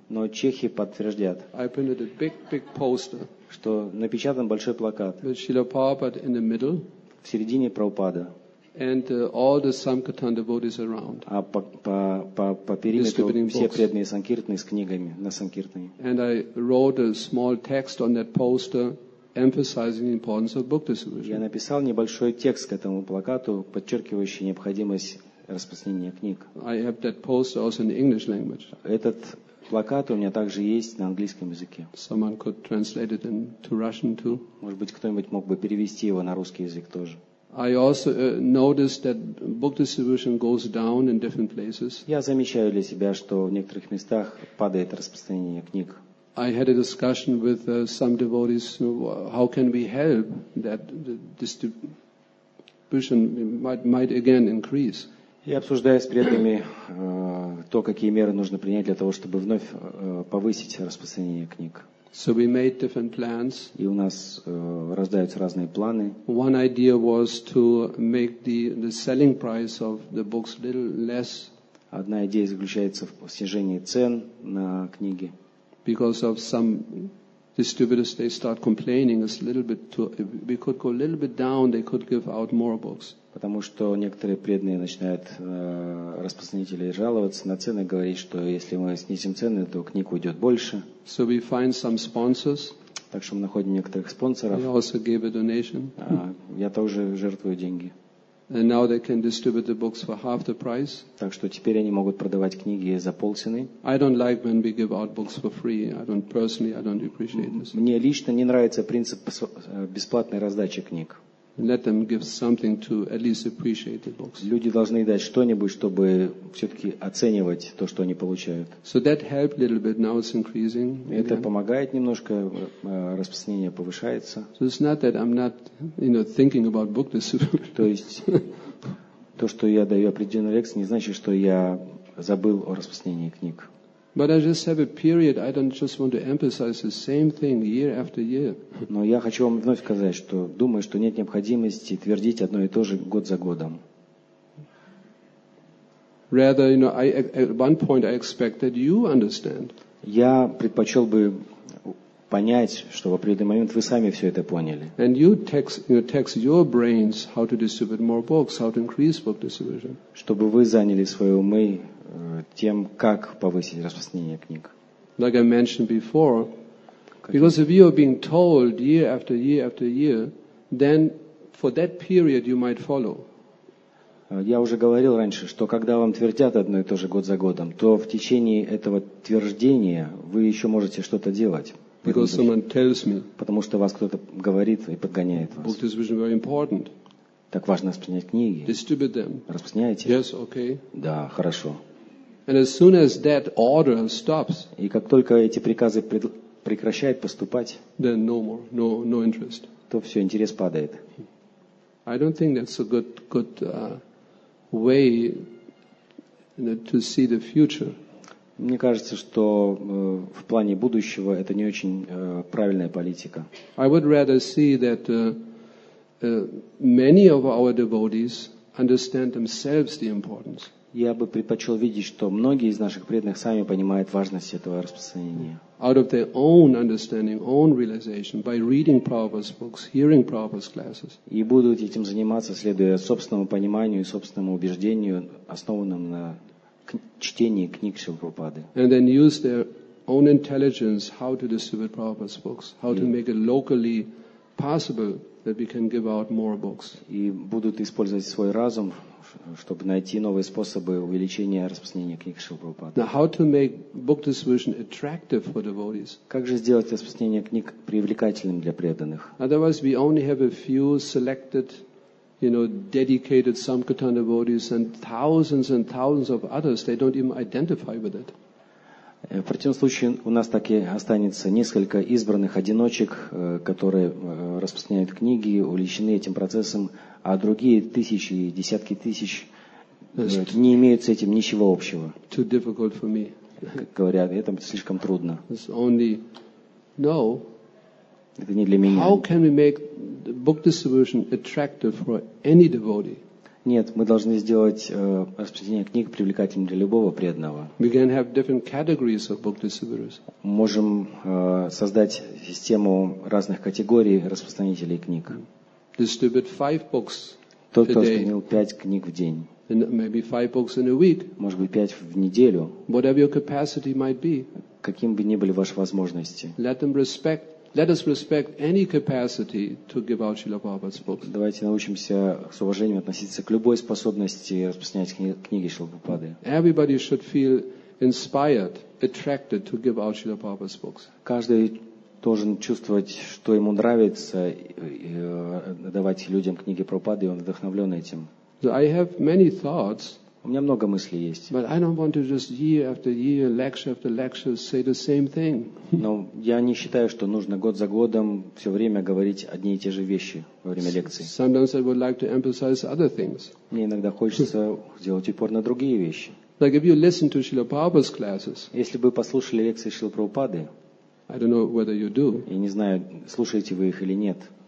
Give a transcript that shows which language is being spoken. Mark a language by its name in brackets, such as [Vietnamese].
[Russian] Но чехи подтвердят. [English] I printed a big poster. [Russian] Что напечатан большой плакат. [English] With Srila Prabhupada in the middle. [Russian] В середине Прабхупада. [English] And all the Sankirtan devotees around. [Russian] А по периметру все преданные санкиртаны с книгами на санкиртане. [English] And I wrote a small text on that poster, emphasizing the importance of book distribution. [Russian] Я написал небольшой текст к этому плакату, подчеркивающий необходимость распространения книг. [English] I have that poster also in the English language. [Russian] Этот плакат у меня также есть на английском языке. [English] Someone could translate it into Russian too. [Russian] Может быть, кто-нибудь мог бы перевести его на русский язык тоже. [English] I also noticed that book distribution goes down in different places. [Russian] Я замечаю для себя, что в некоторых местах падает распространение книг. [English] I had a discussion with some devotees. How can we help that the distribution might again increase? [Russian] Я обсуждаю с преданными то, какие меры нужно принять для того, чтобы вновь повысить распространение книг. [English] So we made different plans. [Russian] И у нас рождаются разные планы. [English] One idea was to make the selling price of the books a little less. [Russian] Одна идея заключается в снижении цен на книги. [English] Because of some the distributors, they start complaining, it's a little bit too, we could go a little bit down, they could give out more books. [Russian] Потому что некоторые преданные начинают распространители жаловаться на цены, говорить, что если мы снизим цены, то книг уйдет больше. [English] So we find some sponsors. [Russian] Так что мы находим некоторых спонсоров. [English] They also gave a donation. [Russian] Я тоже жертвую деньги. [English] And now they can distribute the books for half the price. [Russian] Так что теперь они могут продавать книги за полцены. [English] I don't like when we give out books for free. I don't appreciate this. [Russian] Мне лично не нравится принцип бесплатной раздачи книг. [English] Let them give something to at least appreciate the books. [Russian] Люди должны дать что-нибудь, чтобы все-таки оценивать то, что они получают. [English] So that helped a little bit. Now it's increasing. [Russian] Это помогает немножко, распространение повышается. [English] So it's not that I'm not, you know, thinking about book distribution. [Russian] То есть то, что я даю определенную лекцию, не значит, что я забыл о распространении книг. [English] But I just have a period. I don't just want to emphasize the same thing year after year. [Russian] Но я хочу вам вновь сказать, что думаю, что нет необходимости твердить одно и то же год за годом. [English] Rather, you know, I at one point I expect that you understand. [Russian] Я предпочел бы понять, что в определенный момент вы сами все это поняли. [English] And you text your brains how to distribute more books, how to increase book distribution. [Russian] Чтобы вы заняли свои умы тем, как повысить распространение книг. [English] Like I mentioned before, because if you are being told year after year after year, then for that period you might follow. [Russian] Я уже говорил раньше, что когда вам твердят одно и то же год за годом, то в течение этого твердения вы еще можете что-то делать. [English] Because someone tells me. [Russian] Потому что вас кто-то говорит и подгоняет вас. [English] Book distribution is very important. [Russian] Так важно распространять книги. [English] Distribute them. [Russian] Распространяйте. [English] Yes, okay. [Russian] Да, хорошо. [English] And as soon as that order stops, [Russian] и как только эти приказы прекращают поступать, [English] then no more, no interest. [Russian] То все, интерес падает. [English] I don't think that's a good way to see the future. [Russian] Мне кажется, что в плане будущего это не очень правильная политика. [English] I would rather see that many of our devotees understand themselves the importance. [Russian] Я бы предпочел видеть, что многие из наших преданных сами понимают важность этого распространения. [English] Out of their own understanding, own realization, by reading Prabhupada's books, hearing Prabhupada's classes. [Russian] И будут этим заниматься, следуя собственному пониманию и собственному убеждению, основанному на чтении книг Шрилы Прабхупады. [English] And then use their own intelligence how to distribute Prabhupada's books, how to make it locally possible that we can give out more books. [Russian] И будут использовать свой разум, чтобы найти новые способы увеличения распространения книг Шрилы Прабхупады. [English] Now, how to make book distribution attractive for devotees? [Russian] Как же сделать распространение книг привлекательным для преданных? [English] Otherwise, we only have a few selected, you know, dedicated sankirtan devotees, and thousands of others. They don't even identify with it. [Russian] В противном случае у нас так и останется несколько избранных одиночек, которые распространяют книги, увлечены этим процессом, а другие тысячи, десятки тысяч не имеют с этим ничего общего. [English] Too difficult for me. [Russian] Говорят, это слишком трудно. [English] It's only... No. [Russian] Это не для меня. [English] How can we make the book distribution attractive for any devotee? [Russian] Нет, мы должны сделать распространение книг привлекательным для любого преданного. [English] We can have different categories of book distributors. [Russian] Можем создать систему разных категорий распространителей книг. [English] Distribute 5 books a day. [Russian] Тот, кто распространил 5 книг в день. [English] And maybe 5 books in a week. [Russian] Может быть, 5 в неделю. [English] Whatever your capacity might be. [Russian] Каким бы ни были ваши возможности. [English] Let us respect any capacity to give out Srila Prabhupada's books. [Russian] Давайте научимся с уважением относиться к любой способности распространять книги Шрилы Прабхупады. [English] Everybody should feel inspired, attracted to give out Srila Prabhupada's books. [Russian] Каждый должен чувствовать, что ему нравится давать людям книги Прабхупады, и он вдохновлен этим. [English] So I have many thoughts. [Russian] У меня много мыслей есть. [English] But I don't want to just year after year, lecture after lecture, say the same thing. [Russian] Но я не считаю, что нужно год за годом все время говорить одни и те же вещи во время лекций. [English] Sometimes I would like to emphasize other things. [Russian] Мне иногда хочется сделать упор на другие вещи. [English] Like if you listen to Srila Prabhupada's classes. [Russian] Если бы послушали лекции Шрилы Прабхупады. [English] I don't know whether you do. [Russian] Я не знаю, слушаете вы их или нет.